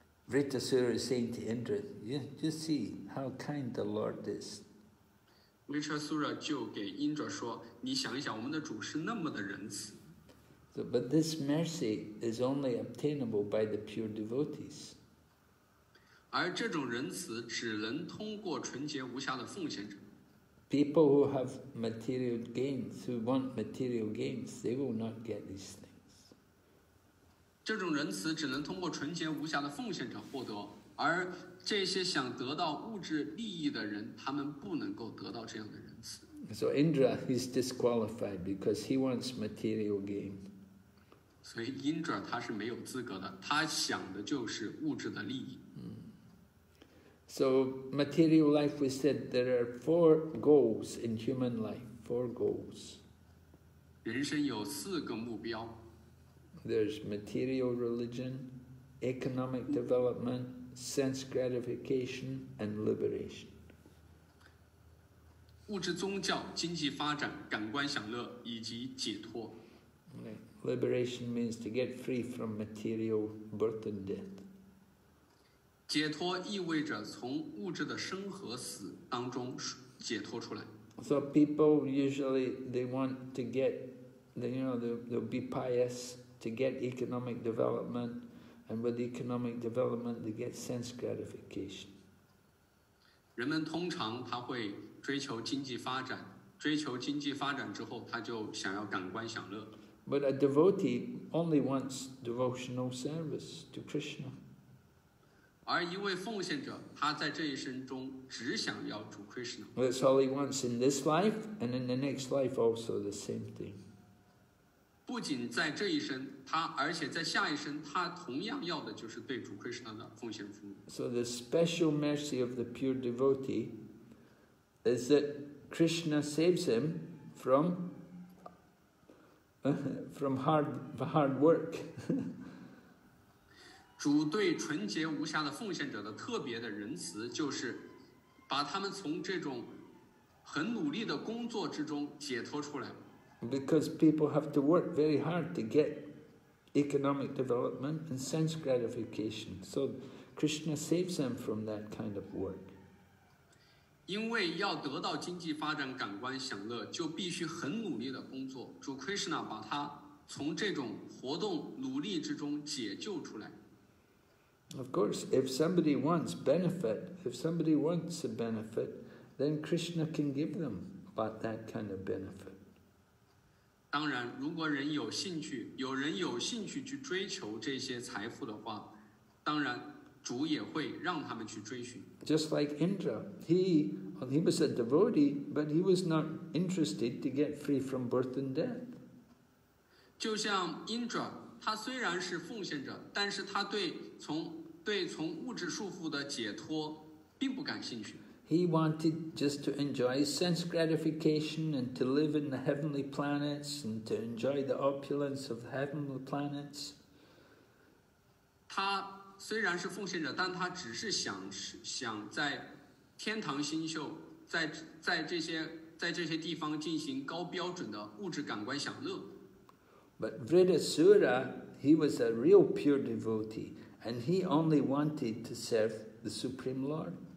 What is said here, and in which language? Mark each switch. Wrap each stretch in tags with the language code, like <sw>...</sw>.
<en>Vritasura is saying to Indra, you see how kind the Lord is.</en> <zh>Vritasura 就给 Indra 说，你想一想，我们的主是那么的仁慈。</zh> <en>So, but this mercy is only obtainable by the pure devotees.</en> <zh>而这种仁慈只能通过纯洁无瑕的奉献者。</zh> <en>People who have material gains, who want material gains, they will not get these things.</en> <zh>这种仁慈只能通过纯洁无瑕的奉献者获得，而这些想得到物质利益的人，他们不能够得到这样的仁慈。</zh> <en>So Indra is disqualified because he wants material gain.</en> <zh>所以 Indra 他是没有资格的，他想的就是物质的利益。</zh> <en>So material life, we said there are four goals in human life, four goals.</en> <zh>人生有四个目标。</zh> <en>There's material religion, economic development, sense gratification, and liberation.</en> <zh>物质宗教、经济发展、感官享乐以及解脱。</zh> <en>Liberation means to get free from material birth and death.</en> <zh>解脱意味着从物质的生和死当中解脱出来。</zh> <en>So people usually they want to get, you know, they'll be pious to get economic development, and with economic development they get sense gratification.</en> <zh>人们通常他会追求经济发展，追求经济发展之后他就想要感官享乐。</zh> <en>But a devotee only wants devotional service to Krishna.</en> <zh>而一位奉献者，他在这一生中只想要主 Krishna。</zh> <en>That's all he wants in this life, and in the next life also the same thing.</en> <zh>不仅在这一生，而且在下一生，他同样要的就是对主 Krishna 的奉献服务。</zh> <en>So the special mercy of the pure devotee is that Krishna saves him from hard work.</en> <zh>主对纯洁无瑕的奉献者的特别的仁慈，就是把他们从这种很努力的工作之中解脱出来。</zh> <en>Because people have to work very hard to get economic development and sense gratification, so Krishna saves them from that kind of work.</en> <zh>因为要得到经济发展、感官享乐，就必须很努力的工作。主 Krishna 把他从这种活动努力之中解救出来。</zh> <en>Of course, if somebody wants benefit, if somebody wants a benefit, then Krishna can give them but that kind of benefit.</en> <zh>当然，如果人有兴趣，有人有兴趣去追求这些财富的话，当然主也会让他们去追寻。</zh> <en>Just like Indra, he was a devotee, but he was not interested to get free from birth and death.</en> <zh>就像 Indra。他虽然是奉献者，但是他对从物质束缚的解脱并不感兴趣。</zh> <en>He wanted just to enjoy sense gratification and to live in the heavenly planets and to enjoy the opulence of heavenly planets.</en> <zh>他虽然是奉献者，但他只是想在天堂星宿，在这些地方进行高标准的物质感官享乐。</zh> <en>But Vridasura, he was a real pure devotee, and he only wanted to serve the Supreme Lord.</en>